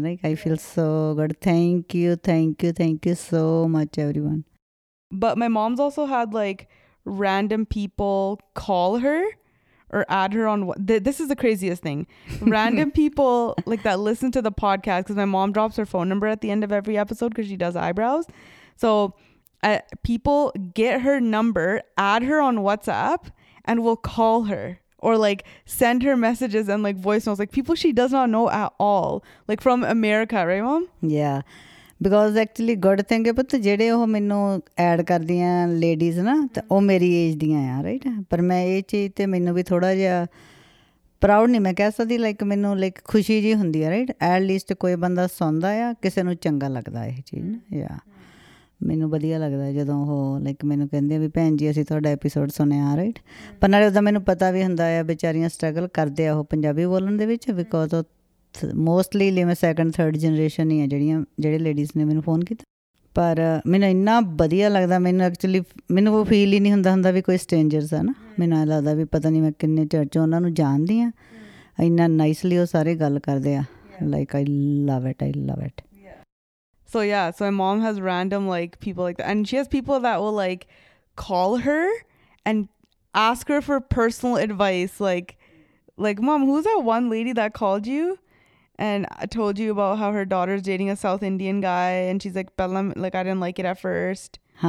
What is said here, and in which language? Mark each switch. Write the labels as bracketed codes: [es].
[en] Like I feel so good. Thank you so much everyone. But my moms also had like random people call her or add her on, this is the craziest thing, random people like that listen to the podcast, because my mom drops her phone number at the end of every episode because she does eyebrows. So people get her number, add her on WhatsApp, and will call her or like send her messages and like voice notes, like people she does not know at all, like from America, right, mom? Yeah, because actually good thing about the [pa] jede oh mainu add kardiyan ladies na te oh meri age diyan ya, [en] right? [pa] Par main eh che te mainu bhi thoda ja proud nahi, main keh sakdi like mainu like khushi ji hundi hai, right? At least koi banda sunda ya kise nu changa lagda eh cheez na, yeah. ਮੈਨੂੰ ਵਧੀਆ ਲੱਗਦਾ ਜਦੋਂ ਉਹ like ਮੈਨੂੰ ਕਹਿੰਦੇ ਆ ਵੀ ਭੈਣ ਜੀ ਅਸੀਂ ਤੁਹਾਡਾ ਐਪੀਸੋਡ ਸੁਣਿਆ, ਰਾਈਟ? ਪਰ ਨਾਲੇ ਉੱਦਾਂ ਮੈਨੂੰ ਪਤਾ ਵੀ ਹੁੰਦਾ ਆ ਵਿਚਾਰੀਆਂ ਸਟਰਗਲ ਕਰਦੇ ਆ ਉਹ ਪੰਜਾਬੀ ਬੋਲਣ ਦੇ ਵਿੱਚ, ਬਿਕੋਜ਼ ਉਹ ਮੋਸਟਲੀ ਲਿਵੇ [en] second third generation [pa] ਹੀ ਆ ਜਿਹੜੇ ਲੇਡੀਜ਼ ਨੇ ਮੈਨੂੰ ਫੋਨ ਕੀਤਾ. ਪਰ ਮੈਨੂੰ ਇੰਨਾ ਵਧੀਆ ਲੱਗਦਾ, ਮੈਨੂੰ ਐਕਚੁਅਲੀ ਮੈਨੂੰ ਉਹ ਫੀਲ ਹੀ ਨਹੀਂ ਹੁੰਦਾ ਹੁੰਦਾ ਵੀ ਕੋਈ ਸਟ੍ਰੇਂਜਰਸ ਆ ਨਾ, ਮੈਨੂੰ ਐਂ ਲੱਗਦਾ ਵੀ ਪਤਾ ਨਹੀਂ ਮੈਂ ਕਿੰਨੇ ਚਿਰ 'ਚ ਉਹਨਾਂ ਨੂੰ ਜਾਣਦੀ ਹਾਂ. ਇੰਨਾ ਨਾਈਸਲੀ ਉਹ ਸਾਰੇ ਗੱਲ ਕਰਦੇ ਆ, [en] Like I love it. So yeah, so my mom has random like people like that, and she has people that will like call her and ask her for personal advice, like mom, who's that one lady that called you and told you about how her daughter's dating a South Indian guy, and she's like, [pa] pehlam, [en] like I didn't like it at first.